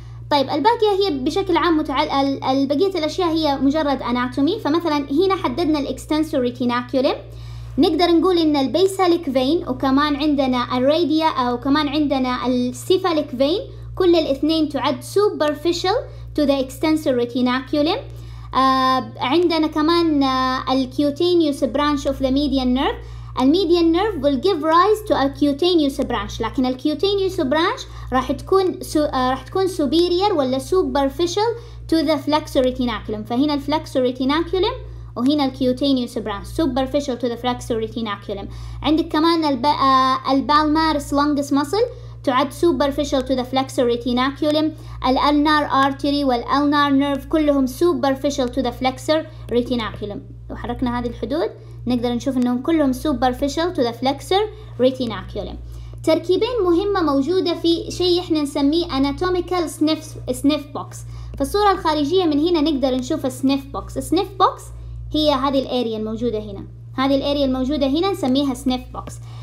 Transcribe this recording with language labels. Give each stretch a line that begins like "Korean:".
Arabic: طيب الباقيه هي بشكل عام البقيه الاشياء هي مجرد اناتومي. فمثلا هنا حددنا الاكستنسور ريتيناكيولم، نقدر نقول ان البيسالك فين، وكمان عندنا الراديا، او كمان عندنا السيفاليك فين، كل الاثنين تعد
English: superficial to the extensor retinaculum. عندنا كمان cutaneous branch of the median nerve. Median nerve will give rise to a cutaneous branch. لكن cutaneous branch
Arabic: راح تكون
English: superior ولا superficial to the flexor retinaculum. فهنا flexor retinaculum وهنا cutaneous branch superficial to the flexor retinaculum.
Arabic: عندك كمان البالمارس
English: longus muscle تعد superficial to the flexor retinaculum. الألنار artery والألنار nerve كلهم superficial to the flexor retinaculum.
Arabic: لو حركنا هذه الحدود نقدر نشوف انهم كلهم
English: superficial to the flexor retinaculum.
Arabic: تركيبين مهمة موجودة في شيء احنا نسميه anatomical sniff box. فالصورة الخارجية من هنا نقدر نشوف sniff box. sniff box هي هذه الاريا الموجودة هنا، هذه الاريا الموجودة هنا نسميها sniff box.